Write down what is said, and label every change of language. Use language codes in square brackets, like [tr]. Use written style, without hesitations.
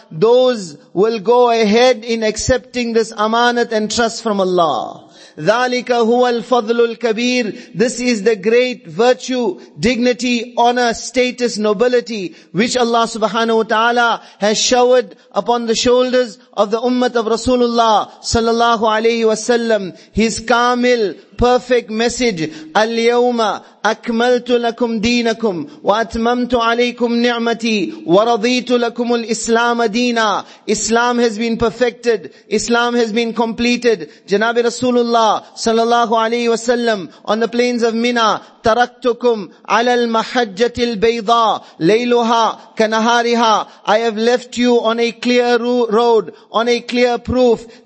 [en] Those will go ahead in accepting this amanat and trust from Allah. [ar] ذَلِكَ هُوَ الْفَضْلُ الْكَبِيرُ. [en] This is the great virtue, dignity, honor, status, nobility, which Allah subhanahu wa ta'ala has showered upon the shoulders of the ummah of Rasulullah sallallahu alayhi wa sallam. His kamil, perfect message, [ar] الْيَوْمَ أَكْمَلْتُ لَكُمْ دِينَكُمْ وَأَتْمَمْتُ عَلَيْكُمْ نِعْمَتِي وَرَضِيتُ لَكُمُ الْإِسْلَامَ دِينًا. [en] Islam has been perfected. Islam has been completed. Janabi Rasulullah sallallahu alayhi wa sallam, on the plains of Mina, [ar] تَرَكْتُكُمْ عَلَى الْمَحَجَّةِ الْبَيْضَى لَيْلُهَا كَنَهَارِهَا. [en] I have left you on a clear road, on a clear proof.